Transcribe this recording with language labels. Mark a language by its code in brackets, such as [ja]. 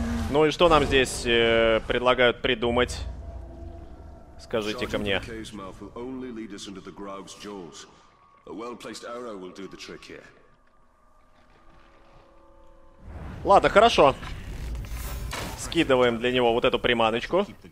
[ru] Ну и что нам здесь предлагают придумать? Скажите-ка мне. [en] Sergeant Kay's mouth will only lead us into the Grog's jaws. A well-placed arrow will do the trick here. [ru] Ладно, хорошо. Скидываем для него вот эту приманочку.